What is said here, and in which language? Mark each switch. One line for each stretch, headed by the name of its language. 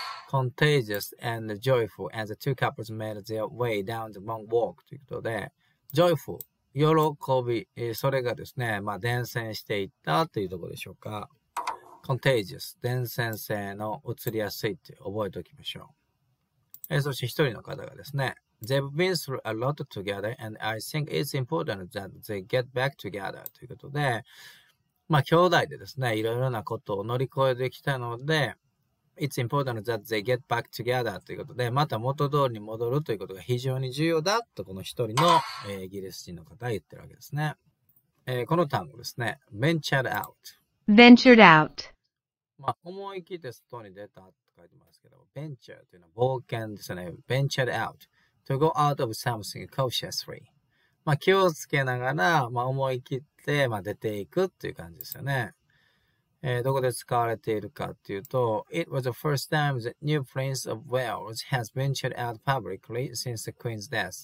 English: Contagious and joyful as the two couples made their way down the long walk
Japanese: ということで、joyful, 喜び、それがですね、まあ、伝染していったというところでしょうか。Contagious. 伝染性のうつりやすいって覚えておきましょう。そして一人の方がですね、
English: They've been through a lot together, and I think it's important that they get back together.
Japanese: ということで、まあ、兄弟でですね、いろいろなことを乗り越えてきたので、
English: It's important that they get back together.
Japanese: ということで、また元通りに戻るということが非常に重要だと、この一人の、イギリス人の方が言ってるわけですね。この単語ですね、Ventured out.
English: Ventured out.
Japanese: まあ、思い切って外に出たと書いてますけど、Venture というのは冒険ですね、Ventured out.
English: To go out of something cautiously.
Japanese: まあ気をつけながら、まあ、思い切って、まあ、出ていくっていう感じですよね。どこで使われているかっていうと、
English: It was the first time the new Prince of Wales has ventured out publicly since the Queen's death.